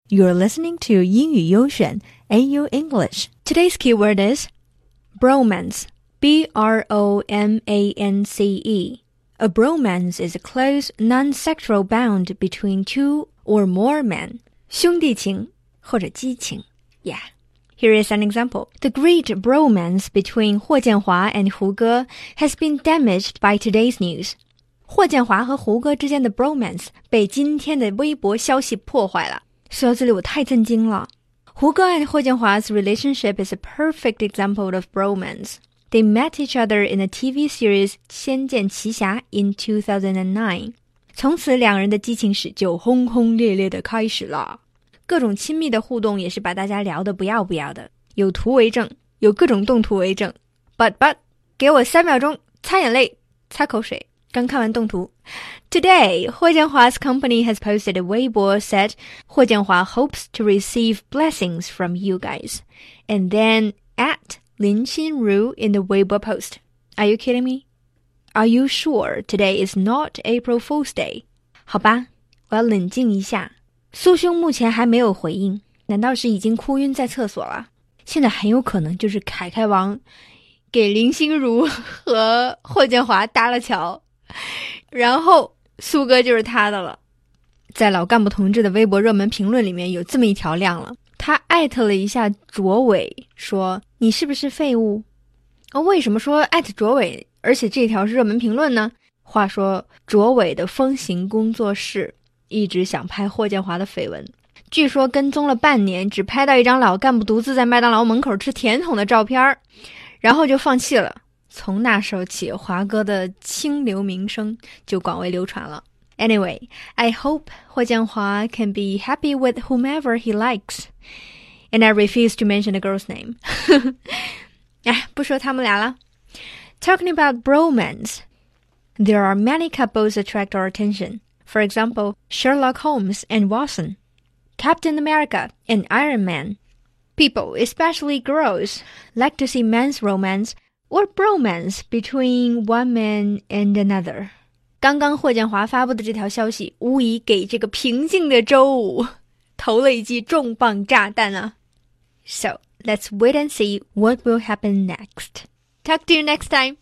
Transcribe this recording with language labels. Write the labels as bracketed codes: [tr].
[en] You're listening to 英语优选 AU English. Today's keyword is bromance, B-R-O-M-A-N-C-E. A bromance is a close, non-sexual bond between two or more men. [zh] 兄弟情或者激情 Yeah. [en] Here is an example. The great bromance between 霍建华 and 胡歌 has been damaged by today's news. [zh] 霍建华和胡歌之间的 bromance 被今天的微博消息破坏了。说到这里我太震惊了。 [en] 胡歌 and 霍建华's relationship is a perfect example of bromance. They met each other in a TV series 仙剑奇侠 in 2009. [zh] 从此两人的激情史就轰轰烈烈地开始了。各种亲密的互动也是把大家聊得不要不要的。有图为证，有各种动图为证。 But, 给我三秒钟擦眼泪擦口水。刚看完动图。 [en] Today, 霍建华's company has posted a Weibo said, 霍建华 hopes to receive blessings from you guys. And then, @ 林心如 in the Weibo post. Are you kidding me? Are you sure today is not April Fool's Day? [zh] 好吧，我要冷静一下。苏兄目前还没有回应，难道是已经哭晕在厕所了？现在很有可能就是凯凯王给林心如和霍建华搭了桥。然后苏哥就是他的了。在老干部同志的微博热门评论里面有这么一条亮了，他艾特了一下卓伟说，你是不是废物、哦、为什么说艾特卓伟而且这条是热门评论呢？话说卓伟的风行工作室一直想拍霍建华的绯闻，据说跟踪了半年只拍到一张老干部独自在麦当劳门口吃甜筒的照片，然后就放弃了。从那时候起，华哥的清流名声就广为流传了。 [en] Anyway, I hope 霍建华 can be happy with whomever he likes. And I refuse to mention the girl's name. [zh] 哎，不说他们俩了。 [en] Talking about bromance, there are many couples attract our attention. For example, Sherlock Holmes and Watson, Captain America and Iron Man. People, especially girls, like to see men's romance,or bromance between one man and another. [zh] 刚刚霍建华发布的这条消息无疑给这个平静的周五投了一记重磅炸弹啊。 [en] So, let's wait and see what will happen next. Talk to you next time.